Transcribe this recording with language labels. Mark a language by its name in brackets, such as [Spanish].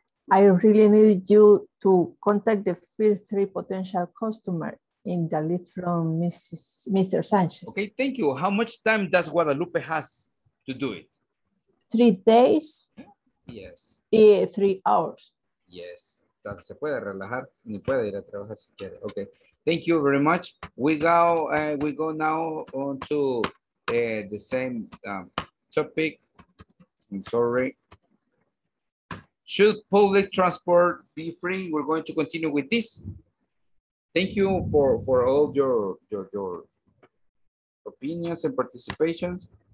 [English] I really need you to contact the first 3 potential customers in the list from Mr. Sanchez. Okay, thank you. How much time does Guadalupe has to do it? 3 days Yes. 3 hours. Yes. [Spanish] O sea, se puede relajar, ni puede ir a trabajar si quiere. [English] Okay. Thank you very much. We go now on to the same topic. I'm sorry. Should public transport be free? We're going to continue with this. Thank you for all your opinions and participations.